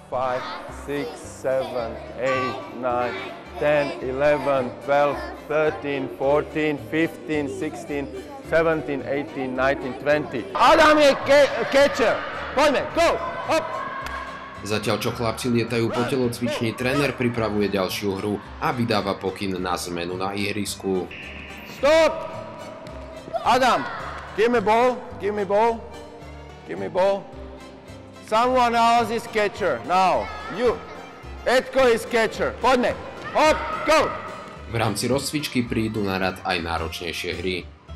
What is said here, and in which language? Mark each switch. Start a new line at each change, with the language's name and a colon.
English: 5, 6, 7, 8, 9, 10, 11, 12, 13, 14, 15, 16, 17, 18, 19, 20.
Slovak: Adam je catcher! Poďme, go! Hop! Zatiaľ, čo chlapci lietajú po telocvični, tréner pripravuje ďalšiu hru a vydáva pokyn na zmenu na ihrisku.
English: Stop! Adam, give me ball, give me ball, give me ball. Someone else is catcher, now, you.
Slovak: Edko is catcher, poďme, hop, go! V rámci rozcvičky prídu na rad aj náročnejšie hry.